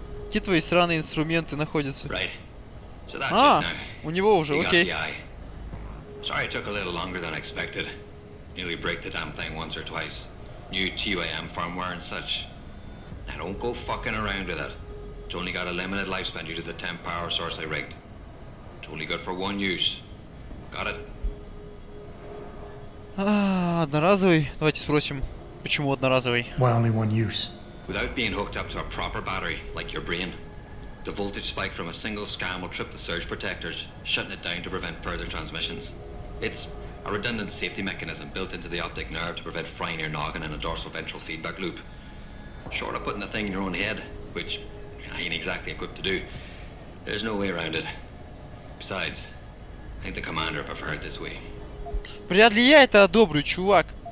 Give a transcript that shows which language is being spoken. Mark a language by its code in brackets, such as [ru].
[ru] Где твои сраные инструменты находятся? [en] Right. So that's it now. [ru] У него уже, окей. [en] Sorry it took a little longer than I expected. Nearly break the damn thing once or twice. New TYM firmware and such. Now don't go fucking around with it. It's only got a limited lifespan due to the temp power source I rigged. It's only good for one use. Got it? [ru] Одноразовый? Давайте спросим, почему одноразовый? [en] Why only one use? Without being hooked up to a proper battery, like your brain, the voltage spike from a single scan will trip the surge protectors, shutting it down to prevent further transmissions. It's a redundant safety mechanism built into the optic nerve to prevent frying your noggin in a dorsal ventral feedback loop. Short of putting the thing in your own head, which I ain't exactly equipped to do. There's no way around it. Besides, I think the commander preferred this way. [ru] Вряд ли я это одобрю, чувак.